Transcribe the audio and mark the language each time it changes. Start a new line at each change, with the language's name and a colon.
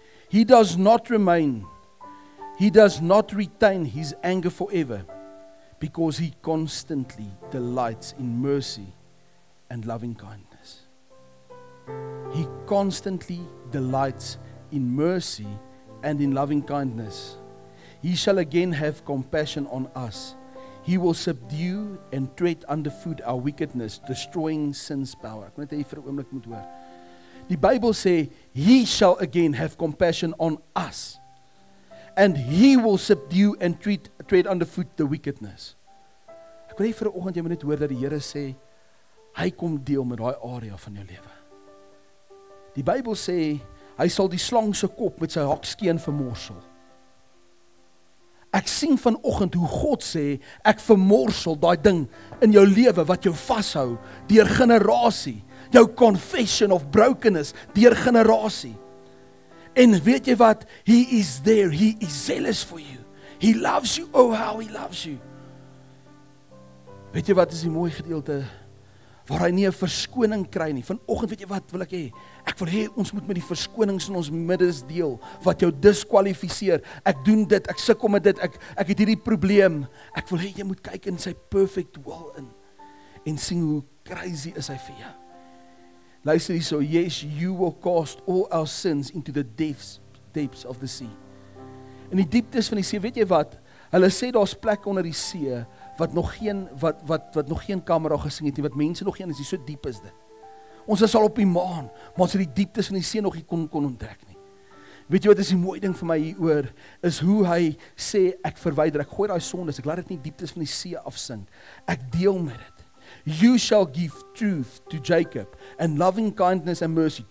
English: He does not remain, he does not retain his anger forever, because he constantly delights in mercy and loving kindness. He constantly delights in mercy and in loving kindness. He shall again have compassion on us. He will subdue and tread underfoot our wickedness, destroying sin's power.
Afrikaans: Ek moet hê vir 'n oomblik moet hoor. Die Bybel sê,
English: he shall again have compassion on us. And he will subdue and tread underfoot the wickedness.
Afrikaans: Ek wil hê vir 'n oggend jy moet net hoor dat die Here sê, Hy kom deel met daai area van jou lewe. Die Bybel sê, hy sal die slang se kop met sy hakskeen vermorsel. Ek sien vanoggend hoe God sê, ek vermorsel daai ding in jou lewe wat jou vashou deur generasie, jou
English: confession of brokenness
Afrikaans: deur generasie. En weet jy wat?
English: He is there, he is zealous for you. He loves you, oh how he loves you.
Afrikaans: Weet jy wat is die mooi gedeelte waar hy nie 'n verskoning kry nie. Vanoggend weet jy wat wil ek hê? Ek wil hê ons moet met die verskonings in ons middes deel wat jou diskwalifiseer. Ek doen dit, ek sukkel met dit, ek het hierdie probleem. Ek wil hê jy moet kyk in sy
English: perfect will
Afrikaans: in en sien hoe crazy is hy vir jou. Luister hierso,
English: yes, you will cast all our sins into the depths of the sea.
Afrikaans: In die dieptes van die see, weet jy wat? Hulle sê daar's plek onder die see wat nog geen kamera gesien het nie, wat mense nog geen is, so diep is dit. Ons is al op die maan, maar ons het die dieptes van die see nog nie kon ontdek nie. Weet jy wat is die mooi ding vir my hieroor, is hoe hy sê, ek verwyder, ek gooi daai sondes, ek laat dit nie dieptes van die see afsink. Ek deel met dit.
English: You shall give truth to Jacob, and loving kindness and mercy.